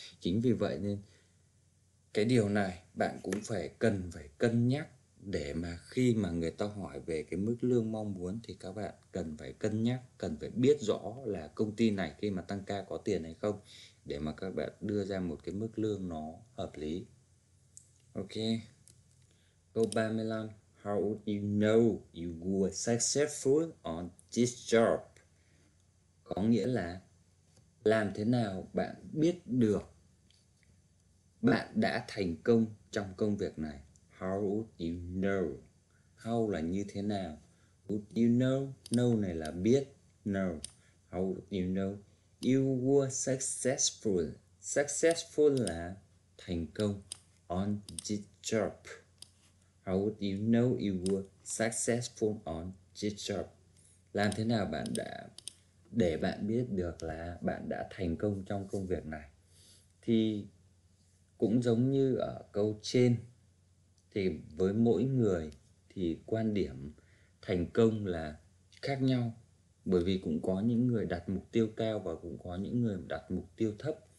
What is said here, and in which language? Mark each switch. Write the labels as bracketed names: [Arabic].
[Vietnamese] Chính vì vậy nên cái điều này bạn cũng cần phải cân nhắc, để mà khi mà người ta hỏi về cái mức lương mong muốn thì các bạn cần phải cân nhắc, cần phải biết rõ là công ty này khi mà tăng ca có tiền hay không, để mà các bạn đưa ra một cái mức lương nó hợp lý. Ok. Câu 35. [English] How would you know you were successful on this job? [Vietnamese] Có nghĩa là làm thế nào bạn biết được bạn đã thành công trong công việc này? [English] How would you know? How [Vietnamese] là như thế nào? [English] Would you know? Know [Vietnamese] này là biết. [English] Know. How would you know? You were successful. [Vietnamese] Successful là thành công. [English] On the job. How would you know you were successful on the job? [Vietnamese] Làm thế nào bạn đã để bạn biết được là bạn đã thành công trong công việc này? Thì cũng giống như ở câu trên, thì với mỗi người thì quan điểm thành công là khác nhau, bởi vì cũng có những người đặt mục tiêu cao và cũng có những người đặt mục tiêu thấp.